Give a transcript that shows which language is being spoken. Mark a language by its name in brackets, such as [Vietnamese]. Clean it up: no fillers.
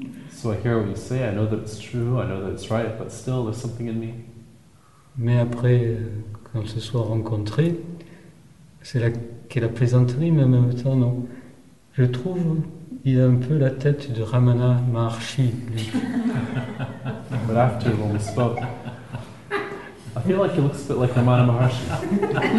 [English] So I hear what you say, I know that it's true, I know that it's right, but still there's something in me. [French] Mais après, quand on se soit rencontré, c'est là qu'est la plaisanterie, mais en même temps, non. Je trouve il a un peu la tête de Ramana Maharshi. [English] But after, when we spoke, I feel like he looks a bit like Ramana Maharshi.